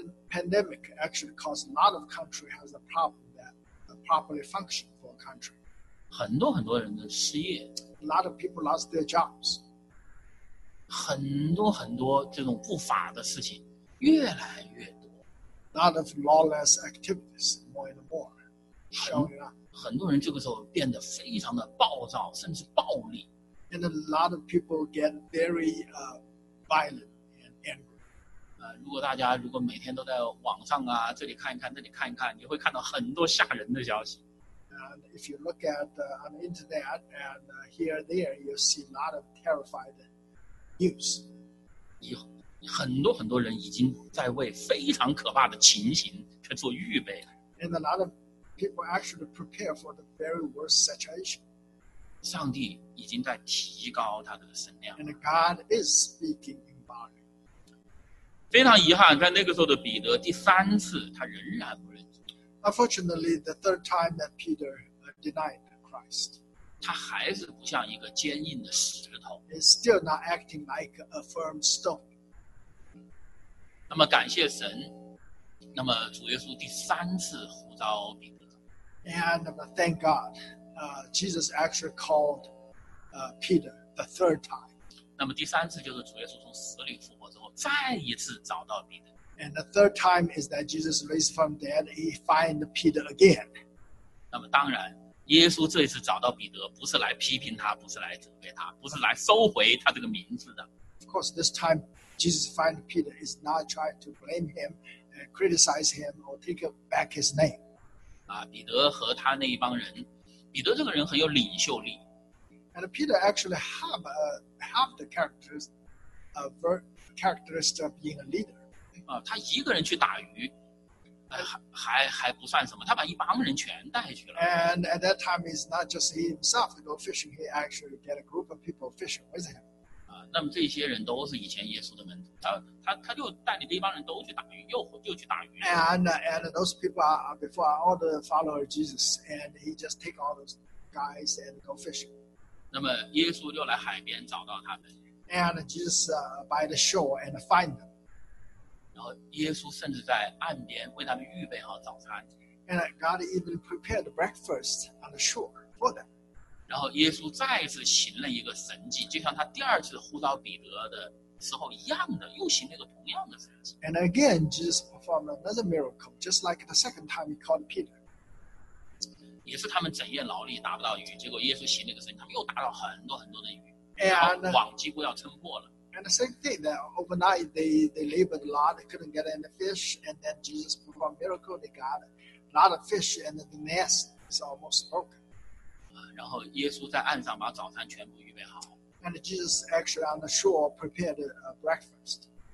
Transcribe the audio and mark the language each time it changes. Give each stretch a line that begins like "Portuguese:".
English: Pandemic actually caused a lot of country has a problem that properly function for a country.
Chinese: 很多很多人的失业。
English: A lot of people lost their jobs.
Chinese: 很多很多这种不法的事情越来越多。
English: A lot of lawless activities more and more showing up.
Chinese: 很多人这个时候变得非常的暴躁，甚至暴力。
English: And a lot of people get very violent and angry.
Chinese: 如果大家如果每天都在网上啊，这里看一看，那里看一看，你会看到很多吓人的消息。
English: And if you look at on the internet and here there, you see a lot of terrified news.
Chinese: 很多很多人已经在为非常可怕的情形在做预备了。
English: And a lot of people actually prepare for the very worst situation.
Chinese: 上帝已经在提高他的声量。
English: And God is speaking in volume.
Chinese: 非常遗憾，在那个时候的彼得第三次他仍然不认罪。
English: Unfortunately, the third time that Peter denied Christ.
Chinese: 他还是不像一个坚硬的石头。
English: He's still not acting like a firm stone.
Chinese: 那么感谢神，那么主耶稣第三次呼召彼得。
English: And thank God, Jesus actually called Peter the third time.
Chinese: 那么第三次就是主耶稣从死里复活之后再一次找到彼得。
English: And the third time is that Jesus raised from dead, he find Peter again.
Chinese: 那么当然，耶稣这一次找到彼得，不是来批评他，不是来责备他，不是来收回他这个名字的。
English: Of course, this time. Jesus find Peter is not trying to blame him, criticize him, or take back his name.
Chinese: 啊，彼得和他那一帮人，彼得这个人很有领袖力。
English: And Peter actually have the characteristics of being a leader.
Chinese: 啊，他一个人去打鱼，还不算什么，他把一帮人全带去了。
English: And at that time, it's not just he himself to go fishing. He actually get a group of people fishing with him.
Chinese: 那么这些人都是以前耶稣的门徒，他就带领这一帮人都去打鱼，又去打鱼。
English: And those people are before all the followers of Jesus, and he just take all those guys and go fishing.
Chinese: 那么耶稣就来海边找到他们。
English: And Jesus by the shore and find them.
Chinese: 然后耶稣甚至在岸边为他们预备好早餐。
English: And God even prepared breakfast on the shore for them.
Chinese: 然后耶稣再次行了一个神迹，就像他第二次呼召彼得的时候一样的，又行了一个同样的神迹。
English: And again, Jesus performed another miracle, just like the second time he called Peter.
Chinese: 也是他们整夜劳力打不到鱼，结果耶稣行了一个神迹，他们又打到很多很多的鱼，
English: and,
Chinese: 然后网几乎要撑破了。
English: And the same thing that overnight they labored a lot, they couldn't get any fish, and then Jesus performed a miracle, they got a lot of fish, and the net is almost broken.
Chinese: 然后耶稣在岸上把早餐全部预备好。
English: And Jesus actually on the shore prepared a breakfast.